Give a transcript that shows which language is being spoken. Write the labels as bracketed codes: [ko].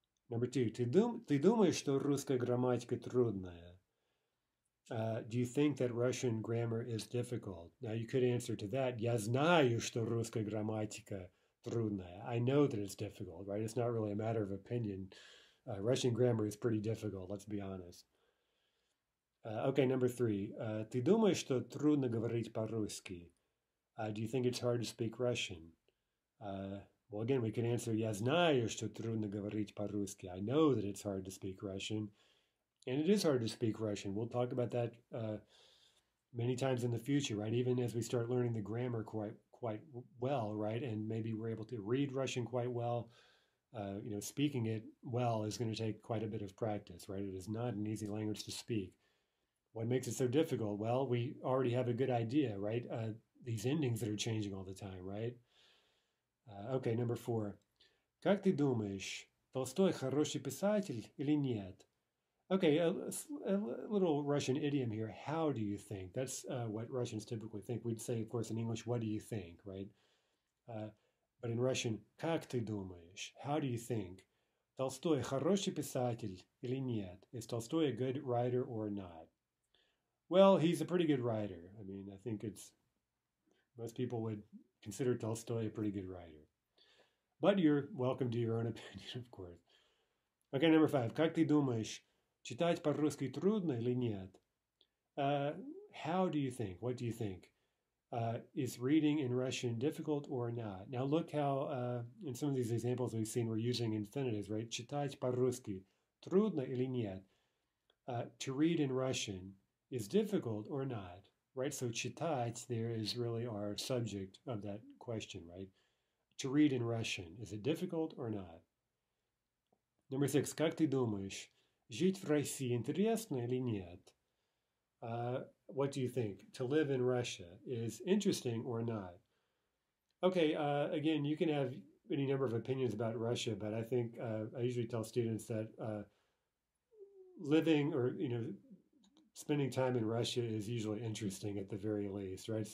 [en] Number two, [ru] ты думаешь, что русская грамматика трудная? [en] Do you think that Russian grammar is difficult? Now you could answer to that, [ru] я знаю, что русская грамматика трудная. [en] I know that it's difficult, right? It's not really a matter of opinion. Russian grammar is pretty difficult, let's be honest. Okay, number three. [ru] Ты думаешь, что трудно говорить по-русски? [en] Do you think it's hard to speak Russian? Well, again, we can answer, [ru] Я знаю, что трудно говорить по-русски. [en] I know that it's hard to speak Russian. And it is hard to speak Russian. We'll talk about that many times in the future, right? Even as we start learning the grammar quite well, right? And maybe we're able to read Russian quite well. Speaking it well is going to take quite a bit of practice, right? It is not an easy language to speak. What makes it so difficult? Well, we already have a good idea, right? These endings that are changing all the time, right? Okay, number four. [ru] Как ты думаешь, Толстой хороший писатель или нет? [en] Okay, a little Russian idiom here. How do you think? That's what Russians typically think. We'd say, of course, in English, what do you think, right? But in Russian, [ru] как ты думаешь? [en] How do you think? [ru] Толстой хороший писатель или нет? [en] Is Tolstoy a good writer or not? Well, he's a pretty good writer. I mean, I think it's most people would consider Tolstoy a pretty good writer. But you're welcome to your own opinion, of course. Okay, number five. [ru] Как ты думаешь, читать по-русски трудно или нет? [en] How do you think? What do you think? Is reading in Russian difficult or not? Now, look how in some of these examples we've seen, we're using infinitives, right? [ru] Читать по-русски трудно или нет? [en] To read in Russian is difficult or not? Right, so читать there is really our subject of that question, right? To read in Russian, is it difficult or not? Number six, [ru] как ты думаешь, жить в России интересно или нет? [en] What do you think? To live in Russia is interesting or not? Okay, again, you can have any number of opinions about Russia, but I think I usually tell students that living or, spending time in Russia is usually interesting at the very least, right?